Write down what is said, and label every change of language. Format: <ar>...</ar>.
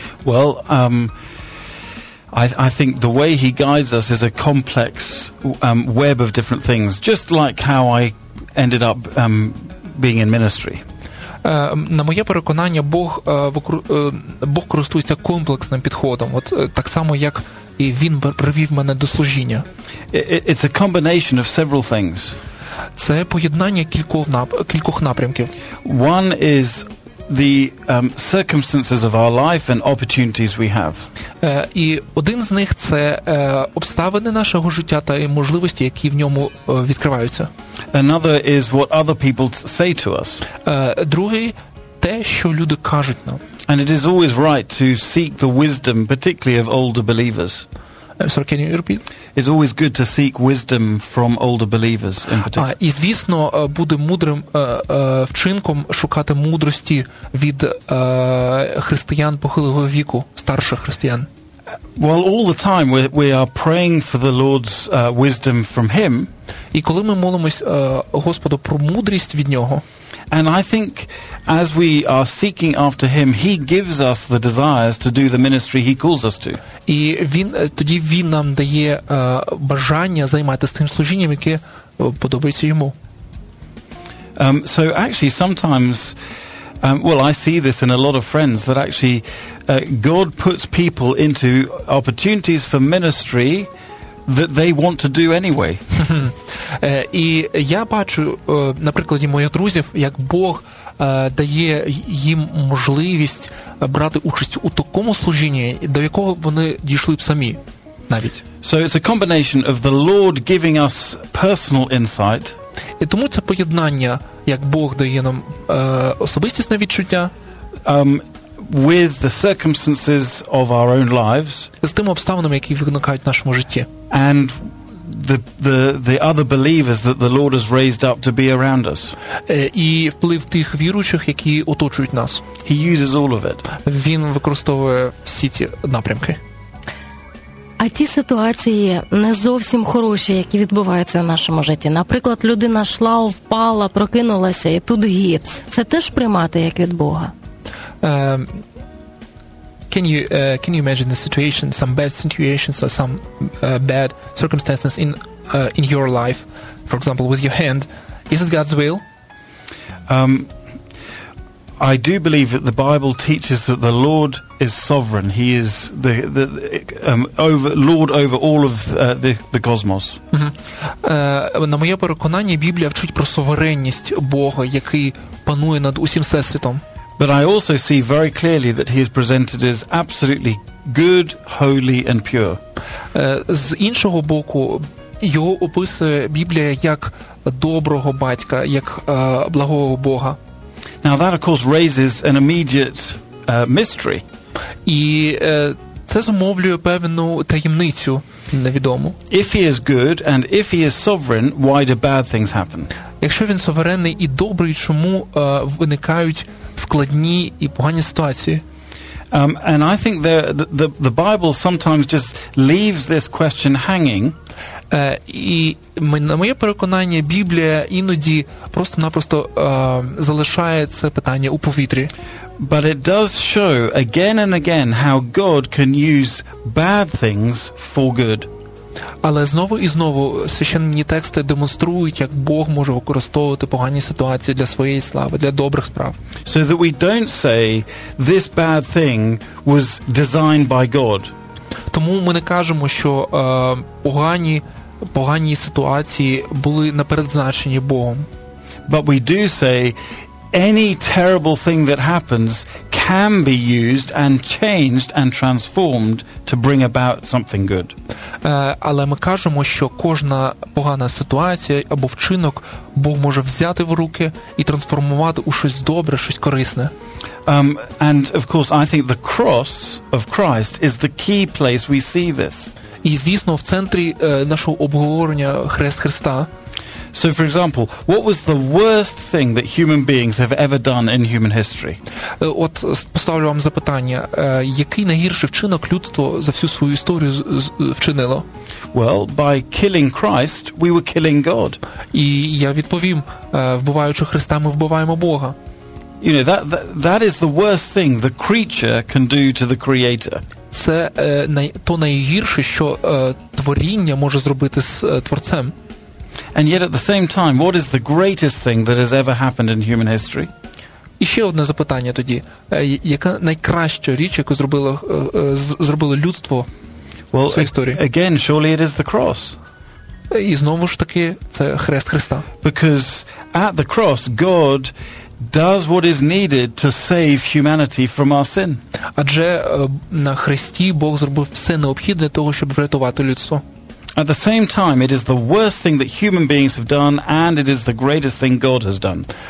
<en>Well, I think the way he guides us is a complex web of different things, just like how I ended up being in ministry.</en> <uk>На моє переконання, Бог користується комплексним підходом, от так само, як і він привів мене до служіння.</uk> <en>It's a combination of several things.</en> <uk>Це поєднання кількох напрямків.</uk> <en>One is the circumstances of our life and opportunities we have.</en> <uk>І один з них це обставини нашого життя та можливості, які в ньому відкриваються.</uk> <en>Another is what other people say to us.</en> <uk>Другий те, що люди кажуть нам.</uk> <en>And it is always right to seek the wisdom, particularly of older believers. Sorry, can you repeat? It's always good to seek wisdom from older believers in particular.</en> <uk>І звісно, буде мудрим вчинком шукати мудрості від християн похилого віку, старших християн.</uk> <en>Well, all the time we are praying for the Lord's wisdom from him.</en> <uk>І коли ми молимось Господу про мудрість від нього.</uk> <en>And I think as we are seeking after him, he gives us the desires to do the ministry he calls us to.</en> <uk>І тоді він нам дає бажання займатися тим служінням, яке подобається йому.</uk> <en>So actually sometimes well, I see this in a lot of friends that actually God puts people into opportunities for ministry that they want to do anyway.</en> <uk>І я бачу, на прикладі моїх друзів, як Бог дає їм можливість брати участь у такому служінні, до якого вони дійшли б самі, навіть.</uk> <en>So it's a combination of the Lord giving us personal insight.</en> <uk>І тому це поєднання, як Бог дає нам особистісне відчуття,</uk> <en>with the circumstances of our own lives,</en> <uk>з тими обставинами, які виникають в нашому житті,</uk> <en>and the other believers that the Lord has raised up to be around us,</en> <uk>і вплив тих віруючих, які оточують нас.</uk> <en>He uses all of it.</en> <uk>Він використовує всі ці напрямки. А ті ситуації не зовсім хороші, які відбуваються в нашому житті. Наприклад, людина йшла, впала, прокинулася, і тут гіпс. Це теж приймати як від Бога?</uk> <en>Can you imagine the situation, some bad situations or some bad circumstances in your life, for example, with your hand? Is it God's will? I do believe that the Bible teaches that the Lord is sovereign. He is the Lord over all of the cosmos.</en> <uk>На моє переконання, Біблія вчить про суверенність Бога, який панує над усім всесвітом.</uk> <en>But I also see very clearly that he is presented as absolutely good, holy and pure.</en> <uk>З іншого боку, його описує Біблія як доброго батька, як благого Бога.</uk> <en>Now that of course raises an immediate mystery.</en> <uk>І це зумовлює певну таємницю. невідому.</uk> <en>If he is good and if he is sovereign, why do bad things happen?</en> <uk>Якщо він суверенний і добрий, чому виникають складні і погані ситуації?</uk> <en>And I think the Bible sometimes just leaves this question hanging.</en> <uk>І на моє переконання, Біблія іноді просто-напросто залишає це питання у повітрі.</uk> <en>But it does show again and again how God can use bad things for good.</en> <uk>Але знову і знову священні тексти демонструють, як Бог може використовувати погані ситуації для своєї слави, для добрих справ.</uk> <en>So that we don't say this bad thing was designed by God.</en> <uk>Тому ми не кажемо, що погані ситуації були напередзначені Богом.</uk> <en>But we do say any terrible thing that happens can be used and changed and transformed to bring about something good.</en> <uk>Але ми кажемо, що кожна погана ситуація або вчинок Бог може взяти в руки і трансформувати у щось добре, щось корисне.</uk> <en>And of course I think the cross of Christ is the key place we see this.</en> <uk>І звісно, в центрі нашого обговорення хрест Христа.</uk> <en>So for example, what was the worst thing that human beings have ever done in human history?</en> <uk>От поставлю вам запитання, який найгірший вчинок людство за всю свою історію вчинило?</uk> <en>Well, by killing Christ, we were killing God.</en> <uk>І я відповім, вбиваючи Христа, ми вбиваємо Бога.</uk> <en>You know, that is the worst thing the creature can do to the creator.</en> <uk>Це то найгірше, що творіння може зробити з творцем.</uk> <en>And yet at the same time, what is the greatest thing that has ever happened in human history?</en> <uk>І ще одне запитання тоді. Яка найкраща річ, яку зробило людство в своїй історії?</uk> <en>Well, again, surely it is the cross.</en> <uk>І знову ж таки, це хрест Христа.</uk> <en>Because at the cross, God does what is needed to save humanity from our sin.</en> <uk>Адже на хресті Бог зробив все необхідне того, щоб врятувати людство.</uk> <en>At the same time, it is the worst thing that human beings have done, and it is the greatest thing God has done.</en>